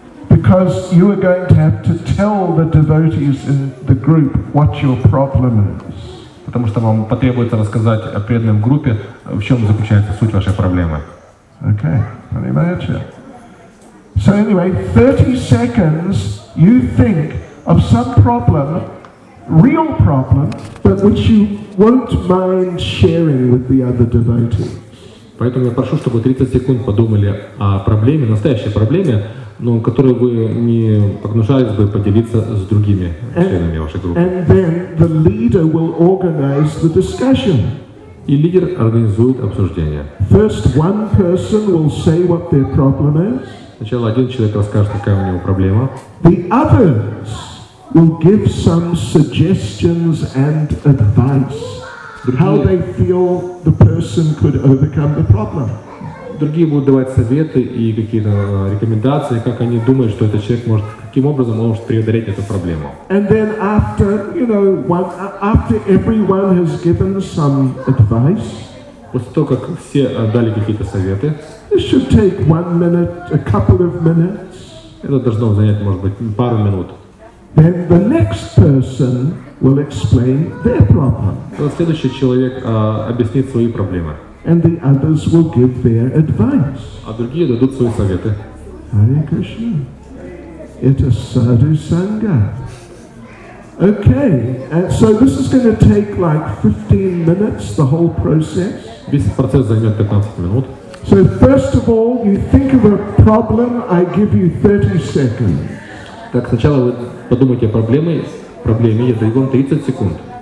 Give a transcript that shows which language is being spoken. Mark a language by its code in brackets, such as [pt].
[en] Because you are going to have to tell the devotees in the group what your problem is. [ru] Потому что вам потребуется рассказать преданным группе, в чем заключается суть вашей проблемы. Okay, понимаете? [en] So anyway, 30 seconds you think of some problem, real problem, but which you won't mind sharing with the other devotees. [ru] Поэтому я прошу, чтобы 30 секунд подумали о проблеме, настоящей проблеме, но которую вы не погнушались бы поделиться с другими членами вашей группы. [en] And then the leader will organize the discussion. [ru] И лидер организует обсуждение. [en] First one person will say what their problem is. [ru] Сначала один человек расскажет, какая у него проблема. [en] The others will give some suggestions and advice. How they feel the person could overcome the problem. [ru] Другие будут давать советы и какие-то рекомендации, как они думают, что этот человек может, каким образом он может преодолеть эту проблему. [en] And then after, you know, after everyone has given some advice, [ru] после того, как все дали какие-то советы, [en] it should take 1 minute, a couple of minutes, [ru] это должно занять, может быть, пару минут. [en] Then the next person will explain their problem. [ru] Следующий человек объяснит свои проблемы. [en] And the others will give their advice. [ru] А другие дадут свои советы. [en] Hare Krishna. Это Sadhu Sangha. Okay, and so this is going to take like 15 minutes, the whole process. [ru] Весь процесс займет 15 минут. [en] So first of all, you think of a problem, I give you 30 seconds. [ru] Так, сначала вы подумайте о проблеме, я даю вам 30 секунд.